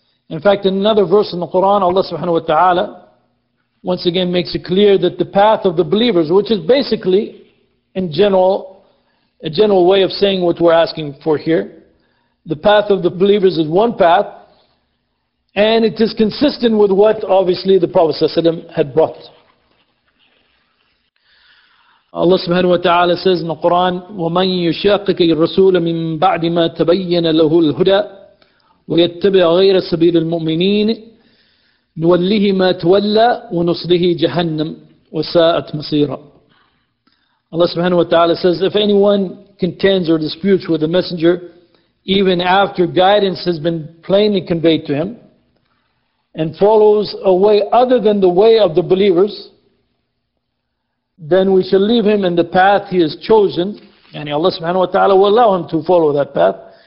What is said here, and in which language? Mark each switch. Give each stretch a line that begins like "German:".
English: In fact, in another verse in the Quran, Allah subhanahu wa ta'ala once again makes it clear that the path of the believers, which is basically, in general, a general way of saying what we're asking for here, the path of the believers is one path, and it is consistent with what, obviously, the Prophet sallallahu alaihi wasallam had brought.
Arabic: Allah subhanahu wa ta'ala says in the Quran, وَمَنْ يُشَاقِكَ الرَّسُولَ مِنْ بَعْدِ مَا تَبَيَّنَ لَهُ الْهُدَىٰ وَيَتَّبِعَ غَيْرَ سَبِيلِ الْمُؤْمِنِينَ نُوَلِّهِ مَا تَوَلَّى وَنُصْلِهِ جَهَنَّمْ وَسَاءَتْ مَصِيرًا.
English: Allah subhanahu wa ta'ala says, if anyone contends or disputes with the messenger, even after guidance has been plainly conveyed to him, and follows a way other than the way of the believers, then we shall leave him in the path he has chosen, and Allah subhanahu wa ta'ala will allow him to follow that path.